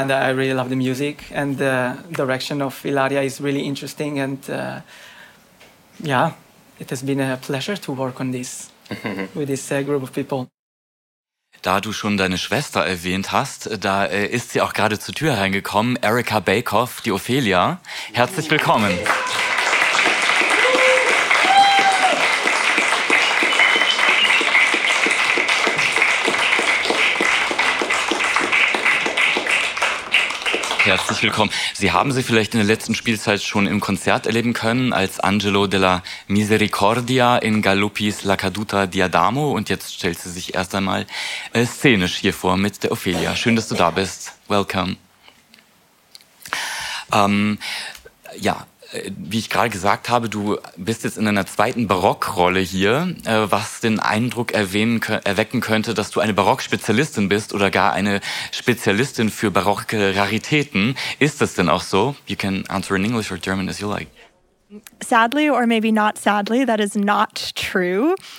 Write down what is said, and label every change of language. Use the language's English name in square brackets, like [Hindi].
[English] And I really love the music and the direction of Ilaria is really interesting and it has been a pleasure to work on this with this group of people. [German] Da du schon deine Schwester erwähnt hast, da ist sie auch gerade zur Tür reingekommen, Erika Bakoff, die Ophelia. Herzlich willkommen. Herzlich willkommen. Sie haben sie vielleicht in der letzten Spielzeit schon im Konzert erleben können, als Angelo della Misericordia in Galuppis La Caduta di Adamo. Und jetzt stellt sie sich erst einmal szenisch hier vor mit der Ophelia. Schön, dass du da bist. Welcome. Ja, wie ich gerade gesagt habe, du bist jetzt in einer zweiten Barockrolle hier, was den Eindruck erwecken könnte, dass du eine Barockspezialistin bist oder gar eine Spezialistin für barocke Raritäten. Ist das denn auch so? [English] You can answer in English or German as you like. Sadly, or maybe not sadly, that is not true.